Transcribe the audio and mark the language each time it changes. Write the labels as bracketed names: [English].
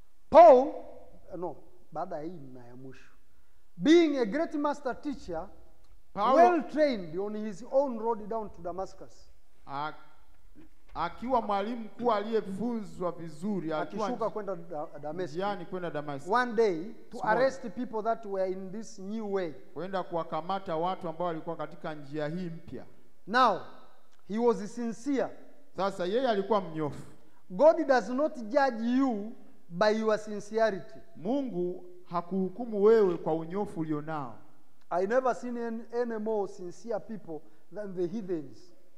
[Swahili] Paul, no, baada ya hii na ya mwisho. [English] Being a great master teacher, Paul, well trained on his own road down to Damascus. [Swahili] Akiwa mwalimu kuwa aliyefunzwa vizuri. Akishuka kwenda Damascus. Njiani kwenda Damascus. [English] One day to arrest people that were in this new way. [Swahili] Kwenda kuwakamata watu ambao walikuwa katika njia hii mpya. [English] Now, he was sincere. [Swahili] Sasa yeye alikuwa mnyofu. [English] God does not judge you by your sincerity. [Swahili] Mungu hakuhukumu wewe kwa unyofu ulionao. [English] I never seen any more sincere people than the heathens.